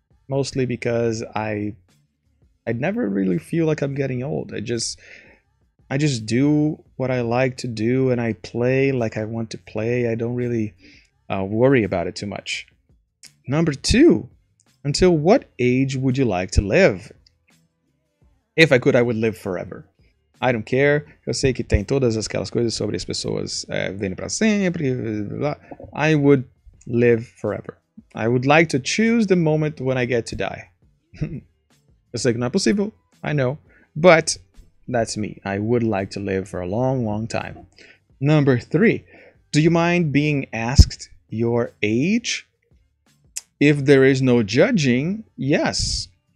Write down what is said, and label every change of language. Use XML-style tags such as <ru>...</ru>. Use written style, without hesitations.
<en>Mostly because I never really feel like I'm getting old. I just do what I like to do, and I play like I want to play. I don't really worry about it too much. Number two, until what age would you like to live? If I could, I would live forever. I don't care.</en> <pt>Eu sei que tem todas aquelas coisas sobre as pessoas vivendo para sempre.</pt> <en>Blah, blah. I would live forever. I would like to choose the moment when I get to die.</en> <pt>Eu sei que não é possível.</pt> <en>I know. But that's me. I would like to live for a long, long time. Number three. Do you mind being asked your age? If there is no judging, yes.</en>